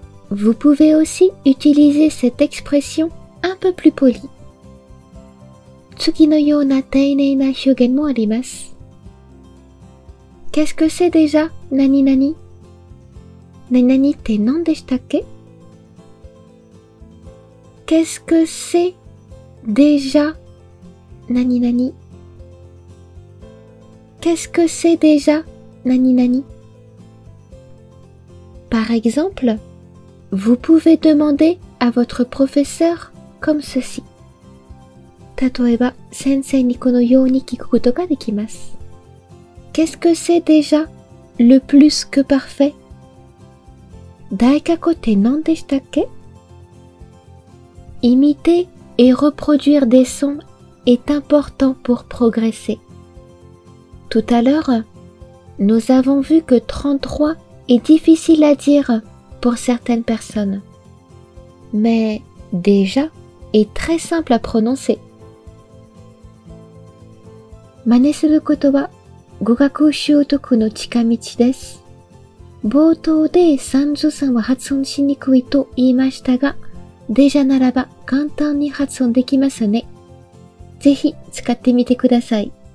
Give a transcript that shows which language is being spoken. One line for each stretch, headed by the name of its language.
French: Vous pouvez aussi utiliser cette expression un peu plus polie.
Japanese: 次のような丁寧な表現もあります。
French: Qu'est-ce que c'est déjà? 何々？
Japanese: 何々って何でしたっけ？
French: Qu'est-ce que c'est déjà? 何々？ Qu'est-ce que c'est déjà? 何々？ Par exemple, vous pouvez demander à votre professeur comme ceci.
Japanese: 例えば、先生にこのように聞くことができます。
French: Qu'est-ce que c'est déjà le plus que parfait?
Japanese: 誰かこって何でしたっけ?
French: Imiter et reproduire des sons est important pour progresser. Tout à l'heure, nous avons vu que 33 est difficile à dire pour certaines personnes. Mais déjà est très simple à prononcer.
Japanese: 真似することは語学習得の近道です。冒頭で33は発音しにくいと言いましたが、デジャならば簡単に発音できますね。ぜひ使ってみてください。